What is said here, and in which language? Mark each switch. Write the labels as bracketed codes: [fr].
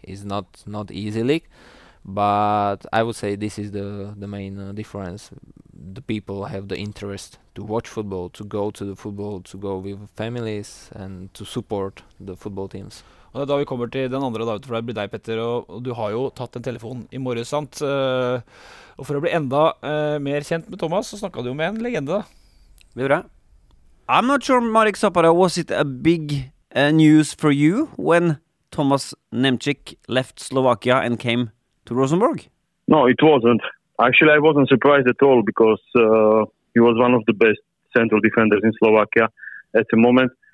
[en] It's not easy league, but I would say this is the main difference. The people have the interest to watch football, to go to the football, to go with families and to support the football teams. [no] Og da vi kommer til den andre dagen, for det blir deg, Petter, og du har jo tatt en telefon I morges, sant? Og for å bli enda mer kjent med Thomas, så snakket du jo med en legende. Det blir bra. [en] I'm not sure, Marek Sapara, was it a big news for you when Thomas Nemčík left Slovakia and came to Rosenborg? No, it wasn't. Actually, I wasn't surprised at all, because he was one of the best central defenders in Slovakia at the moment.